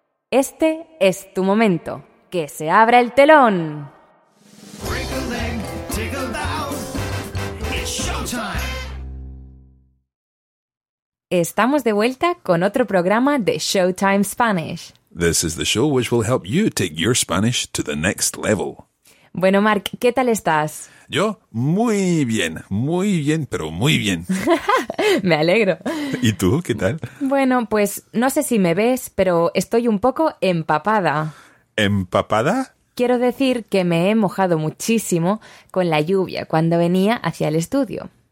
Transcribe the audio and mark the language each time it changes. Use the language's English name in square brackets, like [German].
[Spanish] Este es tu momento, que se abra el telón. [English] Break a leg, take a bow. It's showtime. [Spanish] Estamos de vuelta con otro programa de Showtime Spanish. [English] This is the show which will help you take your Spanish to the next level. [Spanish] Bueno, Mark, ¿qué tal estás? Yo muy bien, pero muy bien. Me alegro. ¿Y tú, qué tal? Bueno, pues no sé si me ves, pero estoy un poco empapada. ¿Empapada? Quiero decir que me he mojado muchísimo con la lluvia cuando venía hacia el estudio.